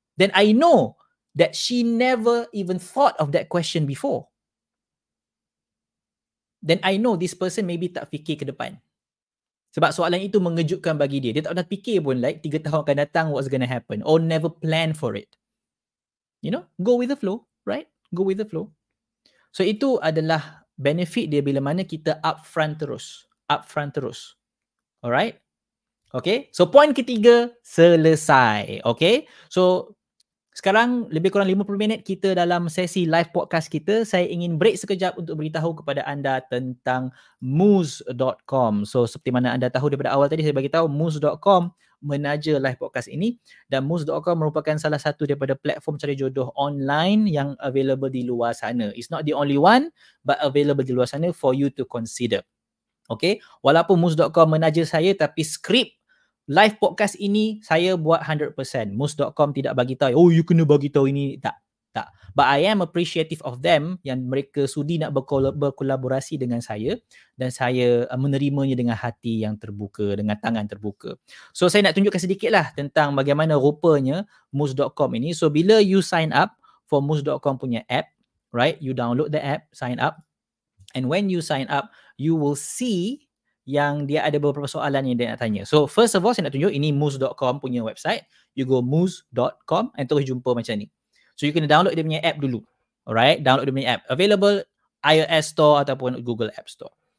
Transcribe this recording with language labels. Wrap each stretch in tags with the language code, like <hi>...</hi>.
<en>Then I know that she never even thought of that question before. Then I know this person maybe</en> <ms>tak fikir ke depan. Sebab soalan itu mengejutkan bagi dia. Dia tak pernah fikir pun</ms> <en>like 3</en> <ms>tahun akan datang,</ms> <en>what's going to happen. Or never plan for it. You know, go with the flow, right? Go with the flow.</en> <ms>So itu adalah benefit dia bila mana kita upfront terus. Alright? Okay? So point ketiga, selesai. Okay? So Sekarang lebih kurang 50 minit kita dalam sesi live podcast kita. Saya ingin break sekejap untuk beritahu kepada anda tentang Moose.com. So seperti mana anda tahu daripada awal tadi, saya beritahu Moose.com menaja live podcast ini, dan Moose.com merupakan salah satu daripada platform cari jodoh online yang available di luar sana.</ms> <en>It's not the only one but available</en> <ms>di luar sana</ms> <en>for you to consider.</en> <ms>Okay, walaupun Moose.com menaja saya, tapi skrip live podcast ini saya buat 100%. Moose.com tidak bagi tahu, oh you kena bagi tahu ini, tak, tak.</ms> <en>But I am appreciative of them</en> <ms>yang mereka sudi nak berkolaborasi dengan saya, dan saya menerimanya dengan hati yang terbuka, dengan tangan terbuka. So saya nak tunjukkan sedikitlah tentang bagaimana rupanya Moose.com ini.</ms> <en>So bila you sign up for Moose.com punya app, right? You download the app, sign up. And when you sign up, you will see</en> <ms>yang dia ada beberapa soalan yang dia nak tanya.</ms> <en>So first of all,</en> <ms>saya nak tunjuk ini Moose.com punya website.</ms> <en>You go Moose.com and</en> <ms>terus jumpa macam ni. So you kena download dia punya app dulu. Alright, download dia punya app. Available iOS Store ataupun Google App Store.</ms>